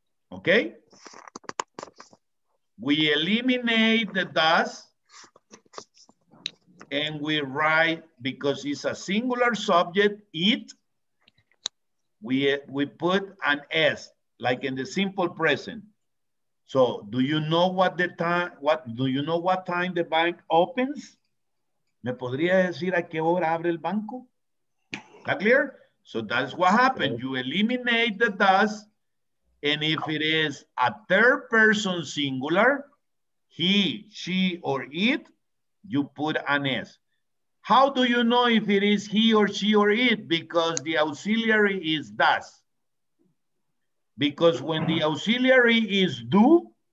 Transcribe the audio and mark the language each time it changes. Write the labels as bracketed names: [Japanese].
[English] Okay, we eliminate the does and we write, because it's a singular subject, it, we put an S, like in the simple present. So do you know what the time, what do you know what time the bank opens? [Spanish] ¿Me podría decir a qué hora abre el banco? [English] Is that clear? So that's what happened. You eliminate the does. And if it is a third person singular, he, she, or it, you put an S. How do you know if it is he or she or it? Because the auxiliary is does. Because when the auxiliary is do,